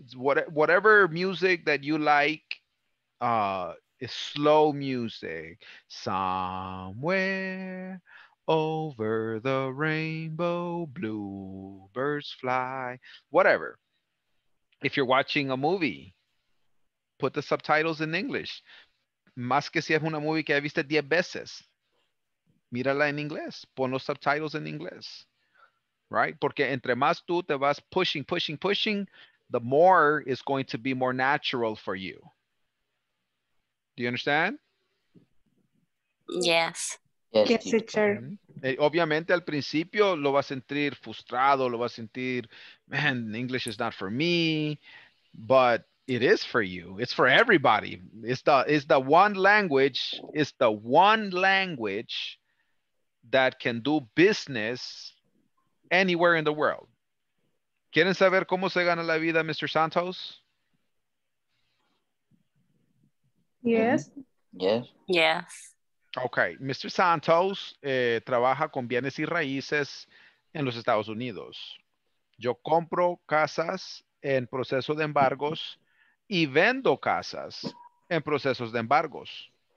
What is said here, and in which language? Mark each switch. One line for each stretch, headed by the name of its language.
English: Whatever music that you like, is slow music. Somewhere over the rainbow, bluebirds fly, whatever. If you're watching a movie, put the subtitles in English.
Spanish: Más que si es una movie que viste 10 veces, mírala en inglés. Pon los subtitles en inglés.
English: Right?
Spanish: Porque entre más tú te vas
English: pushing, the more is going to be more natural for you. Do you understand? Yes.
Spanish: Yes, obviamente al principio lo va a sentir frustrado, lo va a sentir, man,
English: English is not for me, but it is for you. It's for everybody. It's the one language that can do business anywhere in the world.
Spanish: ¿Quieren saber cómo se gana la vida, Mr. Santos?
English: Yes. Yes. Yes. Okay, Mr.
Spanish: Santos trabaja con bienes y raíces en los Estados Unidos. Yo compro casas en proceso de embargos y vendo casas en procesos de embargos.